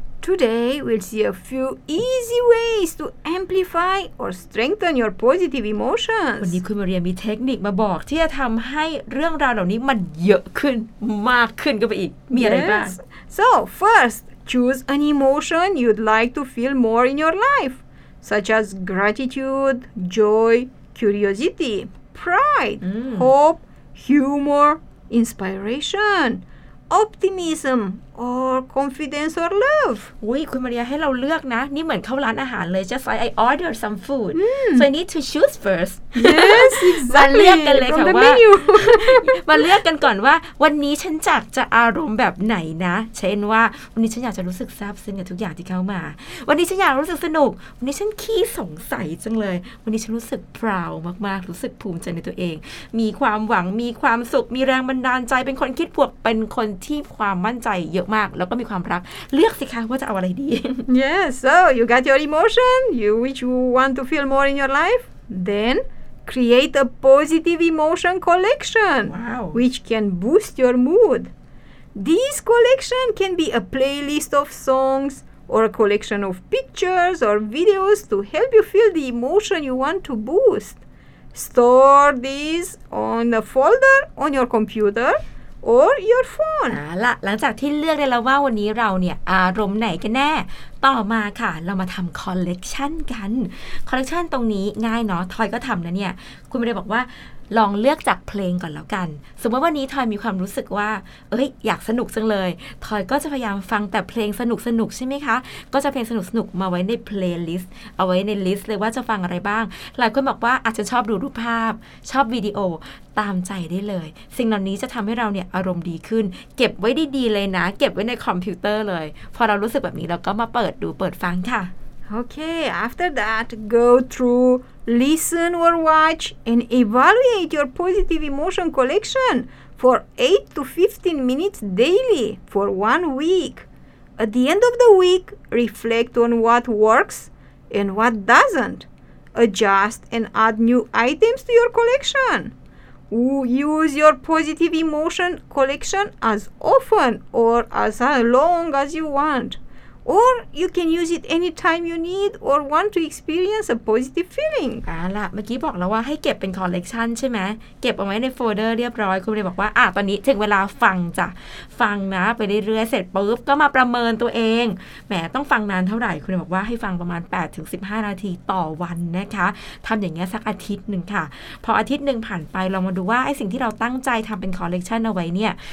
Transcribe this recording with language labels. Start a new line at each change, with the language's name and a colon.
English: Today, we'll see a few easy ways to amplify or strengthen your positive emotions.
Thai: วันนี้คุณมาเรียมีเทคนิคมาบอกที่จะทำให้เรื่องราวเหล่านี้มันเยอะขึ้นมากขึ้นกันไปอีกมีอะไรบ้าง
English: So, first, choose an emotion you'd like to feel more in your life, such as gratitude, joy, curiosity, pride, hope, humor, inspiration. optimism or confidence or love
Thai: อุ้ยคุณมาเรียให้เราเลือกนะนี่เหมือนเข้าร้านอาหารเลย
English: just like I order some food so I need to choose first yes exactly
Thai: มาเลือกกันเลยค่ะว่ามาเลือกกันก่อนว่าวันนี้ฉันจักจะอารมณ์แบบไหนนะเช่นว่าวันนี้ฉันอยากจะรู้สึกซาบซึ้งกับทุกอย่างที่เข้ามาวันนี้ฉันอยากรู้สึกสนุกวันนี้ฉันขี้สงสัยจังเลยวันนี้ฉันรู้สึก proud มากๆรู้สึกภูมิใจในตัวเองมีความหวังมีความสุขมีแรงบันดาลใจเป็นคนคิดบวกเป็นคนที่ความมั่นใจเยอะมากแล้วก็มีความรักเลือกสิคะว่าจะเอาอะไรดี
English: Yes so you got your emotion you which you want to feel more in your life then create a positive emotion collection wow. which can boost your mood this collection can be a playlist of songs or a collection of pictures or videos to help you feel the emotion you want to boost store these on a folder on your computerOr your phone
Thai: อ่ะล่ะหลังจากที่เลือกได้แล้วว่าวันนี้เราเนี่ยอารมณ์ไหนกันแน่ต่อมาค่ะเรามาทำคอลเลกชันกันคอลเลกชันตรงนี้ง่ายเนาะทอยก็ทำนะเนี่ยคุณไม่ได้บอกว่าลองเลือกจากเพลงก่อนแล้วกันสมมติว่าวันนี้ทอยมีความรู้สึกว่าเอ้ยอยากสนุกจังเลยทอยก็จะพยายามฟังแต่เพลงสนุกสนุกใช่ไหมคะก็จะเพลงสนุกสนุกมาไว้ในเพลย์ลิสต์เอาไว้ในลิสต์เลยว่าจะฟังอะไรบ้างหลายคนบอกว่าอาจจะชอบดูรูปภาพชอบวิดีโอ ตามใจได้เลยสิ่งเหล่านี้จะทำให้เราเนี่ยอารมณ์ดีขึ้นเก็บไว้ดีๆเลยนะเก็บไว้ในคอมพิวเตอร์เลยพอเรารู้สึกแบบนี้เราก็มาเปิดดูเปิดฟังค่ะ
English: โอเค after that go throughListen or watch and evaluate your positive emotion collection for 8 to 15 minutes daily for 1 week. At the end of the week, reflect on what works and what doesn't. Adjust and add new items to your collection. Use your positive emotion collection as often or as long as you want. Or you can use it anytime you need or want to experience a positive feeling.
Thai: อ่าล่ะเมื่อกี้บอกแล้วว่าให้เก็บเป็นคอลเลกชันใช่ไหมเก็บเอาไว้ในโฟลเดอร์เรียบร้อยคุณเลยบอกว่าอ่ะตอนนี้ถึงเวลาฟังจ้ะฟังนะไปเรื่อยๆเสร็จปุ๊บก็มาประเมินตัวเองแหมต้องฟังนานเท่าไหร่คุณเลยบอกว่าให้ฟังประมาณ 8-15 นาทีต่อวันนะคะทำอย่างเงี้ยสักอาทิตย์นึงค่ะพออาทิตย์นึงผ่านไปเรามาดูว่าไอ้สิ่งที่เราตั้งใจทำเป็นคอลเลกชันเอาไว้เนี่ย